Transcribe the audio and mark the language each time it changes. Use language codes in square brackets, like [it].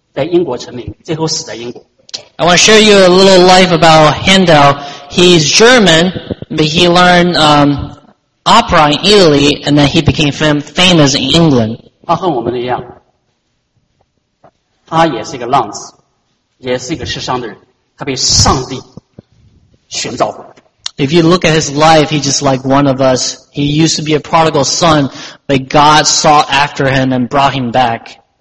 [zh] 亨德尔这个人，他是德国人，在意大利学歌剧，在英国成名，最后死在英国。 [en] I want to share you a little life about Handel. He's German, but he learned opera in Italy, and then he became famous in England. [zh] 他和我们一样，他也是一个浪子，也是一个世上的人。他被上帝寻找过。 [en] If you look at his life, he's just like one of us. He used to be a prodigal son, but God sought after him and brought him back.